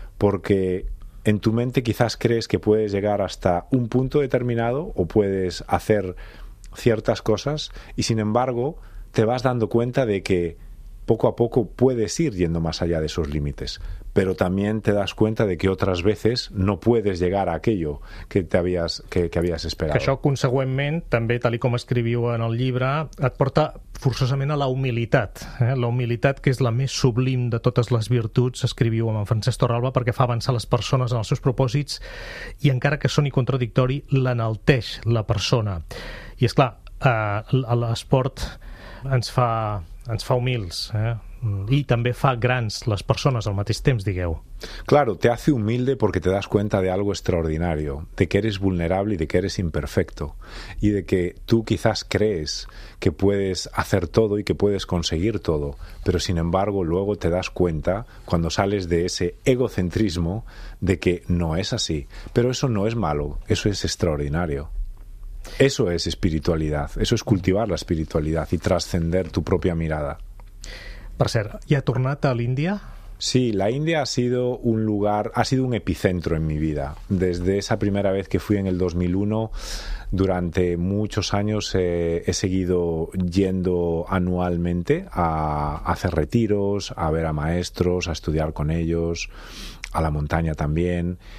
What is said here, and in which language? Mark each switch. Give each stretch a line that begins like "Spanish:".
Spanish: Porque en tu mente quizás crees que puedes llegar hasta un punto determinado o puedes hacer ciertas cosas y, sin embargo, te vas dando cuenta de que poco a poco puedes ir yendo más allá de esos límites, pero también te das cuenta de que otras veces no puedes llegar a aquello que havias esperado.
Catalan: Que això, consegüentment, també, tal com escriviu en el llibre, et porta forçosament a la humilitat. La humilitat, que és la més sublim de totes les virtuts, escriviu amb en Francesc Torralba, perquè fa avançar les persones en els seus propòsits i, encara que soni contradictori, l'enalteix la persona. I, esclar, l'esport ens fa humils,
Spanish: y también fa grandes las personas
Catalan: al mateix temps, digueu.
Spanish: Claro, te hace humilde porque te das cuenta de algo extraordinario, de que eres vulnerable y de que eres imperfecto, y de que tú quizás crees que puedes hacer todo y que puedes conseguir todo, pero sin embargo luego te das cuenta, cuando sales de ese egocentrismo, de que no es así. Pero eso no es malo, eso es extraordinario. Eso es espiritualidad, eso es cultivar la espiritualidad y trascender tu propia mirada.
Catalan: Per cert, ¿y ha tornat a l'Índia?
Spanish: Sí, la India ha sido un lugar, ha sido un epicentro en mi vida. Desde esa primera vez que fui en el 2001, durante muchos años he seguido yendo anualmente a hacer retiros, a ver a maestros, a estudiar con ellos, a la montaña también.